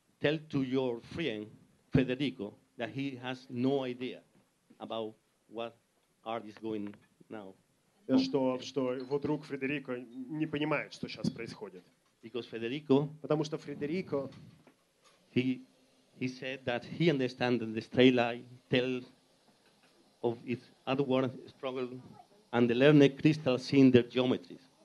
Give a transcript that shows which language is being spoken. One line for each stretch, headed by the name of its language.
English: tell to your friend Federico that he has no idea about what art is going now.
Russian: Что его друг Федерико не понимает, что сейчас происходит.
English: Because Federico,
Russian: потому что Федерико,
English: he said that he understands that the straight line tells of its outward struggle and the learned crystal seeing their geometries.